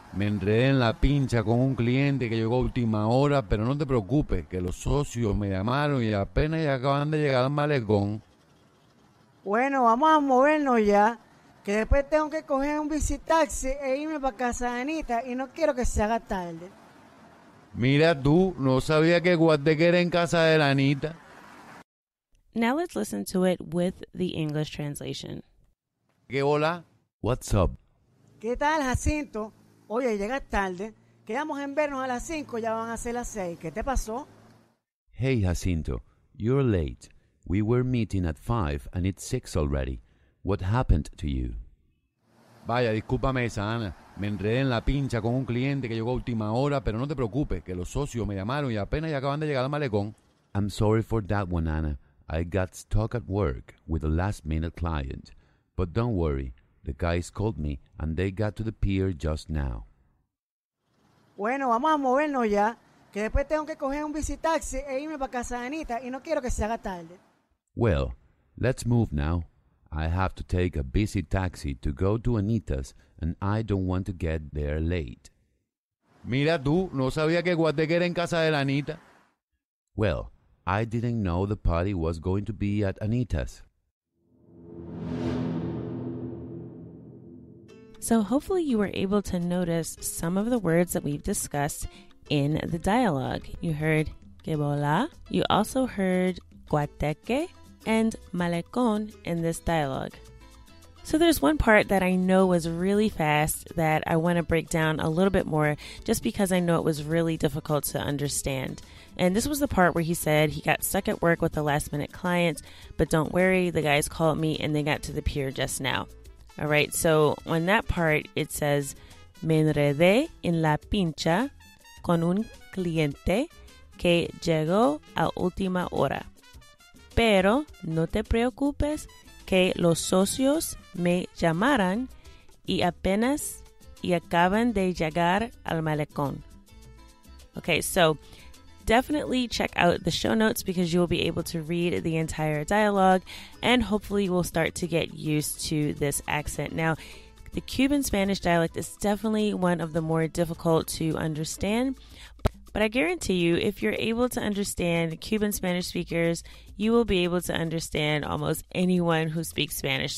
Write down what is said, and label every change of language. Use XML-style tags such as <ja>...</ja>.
<es>Me enredé en la pincha con un cliente que llegó a última hora, pero no te preocupes, que los socios me llamaron y apenas ya acaban de llegar al malecón. Bueno, vamos a movernos ya, que después tengo que coger un bicitaxi e irme para casa de Anita y no quiero que se haga tarde. Mira tú, no sabía que guateque era en casa de la Anita.</es> <en>Now let's listen to it with the English translation.</en> <es>¿Qué hola?</es> <en>What's up?</en> <es>¿Qué tal, Jacinto? Oye, llegas tarde. Quedamos en vernos a las 5, ya van a ser las 6. ¿Qué te pasó?</es> <en>Hey, Jacinto, you're late. We were meeting at 5 and it's 6 already. What happened to you?</en> <es>Vaya, discúlpame, Sana. Me enredé en la pincha con un cliente que llegó a última hora, pero no te preocupes, que los socios me llamaron y apenas ya acaban de llegar al malecón.</es> <en>I'm sorry for that one, Ana. I got stuck at work with a last-minute client. But don't worry. The guys called me, and they got to the pier just now.</en> <es>Bueno, vamos a movernos ya, que después tengo que coger un bicitaxi e irme para casa de Anita, y no quiero que se haga tarde.</es> <en>Well, let's move now. I have to take a busy taxi to go to Anita's, and I don't want to get there late.</en> <es>Mira tú, no sabía que guateque era en casa de la Anita.</es> <en>Well, I didn't know the party was going to be at Anita's. So hopefully you were able to notice some of the words that we've discussed in the dialogue. You heard que bola, you also heard guateque and malecón in this dialogue. So there's one part that I know was really fast that I want to break down a little bit more just because I know it was really difficult to understand. And this was the part where he said he got stuck at work with a last minute client, but don't worry, the guys called me and they got to the pier just now. All right, so on that part, it says,</en> <es>me enredé en la pincha con un cliente que llegó a última hora. Pero no te preocupes que los socios me llamaran y apenas y acaban de llegar al malecón.</es> <en>Okay, so definitely check out the show notes because you will be able to read the entire dialogue and hopefully you will start to get used to this accent. Now, the Cuban Spanish dialect is definitely one of the more difficult to understand, but I guarantee you, if you're able to understand Cuban Spanish speakers, you will be able to understand almost anyone who speaks Spanish.</en>